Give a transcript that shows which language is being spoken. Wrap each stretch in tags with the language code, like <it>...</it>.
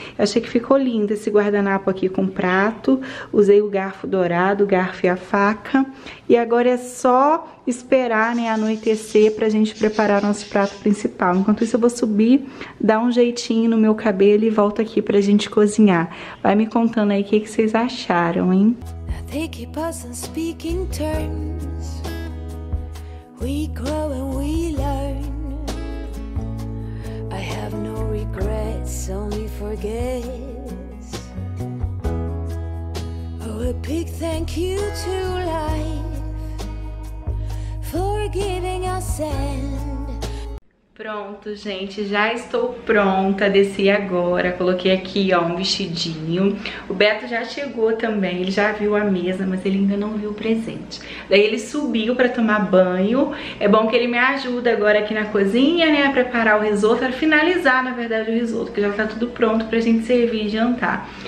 <pt>Eu achei que ficou lindo esse guardanapo aqui com prato, usei o garfo dourado, o garfo e a faca, e agora é só esperar, né, anoitecer pra gente preparar nosso prato principal. Enquanto isso eu vou subir, dar um jeitinho no meu cabelo e volto aqui pra gente cozinhar. Vai me contando aí o que que vocês acharam, hein?</pt> <en>They keep us on speaking terms. We grow and we learn. I have no regrets, only forgets. Oh, a big thank you to life for giving us end.</en> <pt>Pronto, gente, já estou pronta, desci agora, coloquei aqui, ó, um vestidinho. O Beto já chegou também, ele já viu a mesa, mas ele ainda não viu o presente. Daí ele subiu pra tomar banho, é bom que ele me ajuda agora aqui na cozinha, né, a preparar o risoto, pra finalizar, na verdade, o risoto, que já tá tudo pronto pra gente servir e jantar.</pt>